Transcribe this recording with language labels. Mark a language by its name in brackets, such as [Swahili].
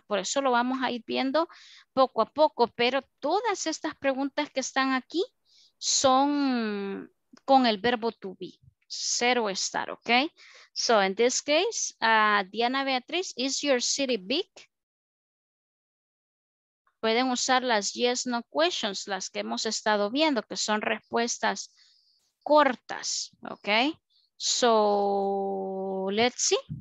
[Spanish] Por eso lo vamos a ir viendo poco a poco. Pero todas estas preguntas que están aquí son con el verbo to be. Cero estar, ¿ok? [English] So, in this case, Diana Beatriz, is your city big? [Spanish] Pueden usar las yes, no questions, las que hemos estado viendo, que son respuestas cortas, ¿ok? [English] So, let's see.